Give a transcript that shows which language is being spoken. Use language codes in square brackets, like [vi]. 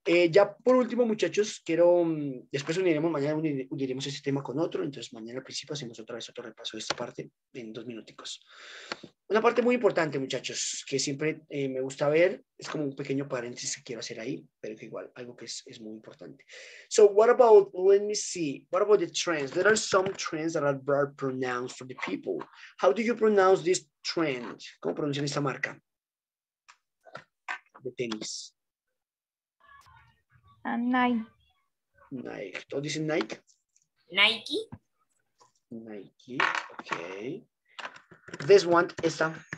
[es] Ya por último, muchachos, quiero, después uniremos, mañana uniremos ese tema con otro, entonces mañana al principio hacemos otra vez otro repaso de esta parte en 2 minuticos. Una parte muy importante, muchachos, que siempre me gusta ver, es como un pequeño paréntesis que quiero hacer ahí, pero que igual, algo que es muy importante. [en] So, what about, let me see, what about the trends? There are some trends that are very pronounced for the people. How do you pronounce this trend? [es] ¿Cómo pronuncian esta marca? De tenis. Nike. ¿Todos dicen Nike? Nike. [en] Nike, ok. This one, esta.